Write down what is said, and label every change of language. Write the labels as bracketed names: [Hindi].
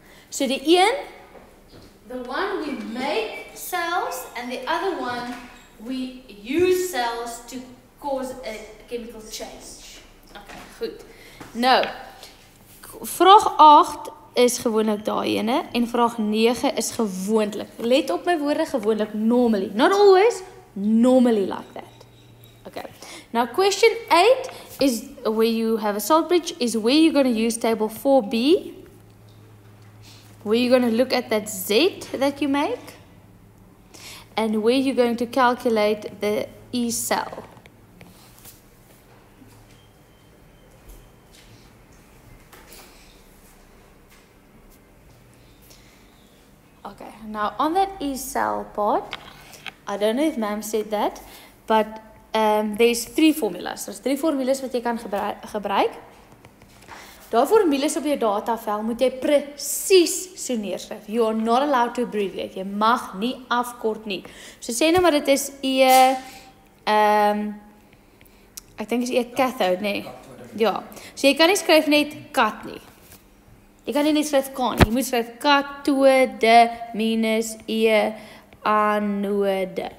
[English] So the one we make cells and the other one we use cells to cause a chemical change. [Afrikaans] Okay, goed. Nou, vraag 8 is gewoonlik daai ene en vraag 9 is gewoonlik. Let op my woorde, gewoonlik, [English] normally. Not always, normally like that. Okay. Now question 8 is where you have a salt bridge, is where you're going to use table 4B, where you're going to look at that Z that you make, and where you're going to calculate the E cell. Okay, now on that E cell part, I don't know if ma'am said that, but there's three formulas. There's three formulas [Afrikaans] wat jy kan gebruik. Daai formules op jou datavel moet jy presies so neerskryf. [English] You are not allowed to abbreviate. [Afrikaans] Jy mag nie afkort nie. So sê nou maar dit is E [English] I think it's E cathode, [Afrikaans] nee. Ja. So jy kan nie skryf net kat nie. Jy kan nie net skryf kan nie. Jy moet skryf kathode minus E anode.